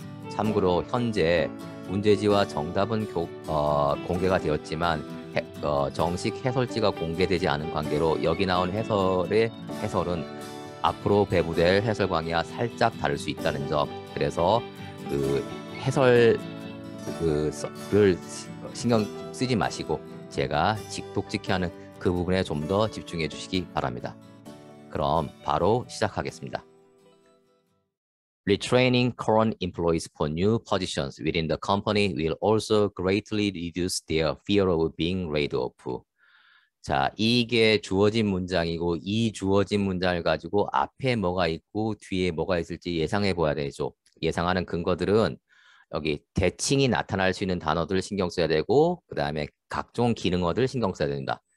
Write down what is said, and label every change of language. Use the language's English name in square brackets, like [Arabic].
[Korean] 참고로 현재 문제지와 정답은 공개가 되었지만 정식 해설지가 공개되지 않은 관계로 여기 나온 해설의 해설은 앞으로 배부될 해설 강의와 살짝 다를 수 있다는 점, 그래서 그 해설을 신경 쓰지 마시고 제가 직독직해하는 그 부분에 좀 더 집중해 주시기 바랍니다. 그럼 바로 시작하겠습니다. [English] Retraining current employees for new positions within the company will also greatly reduce their fear of being laid off. [Korean] 자, 이게 주어진 문장이고 이 주어진 문장을 가지고 앞에 뭐가 있고 뒤에 뭐가 있을지 예상해 봐야 되죠. 예상하는 근거들은 여기 대칭이 나타날 수 있는 단어들을 신경 써야 되고 그 다음에 각종 기능어들을 신경 써야 됩니다.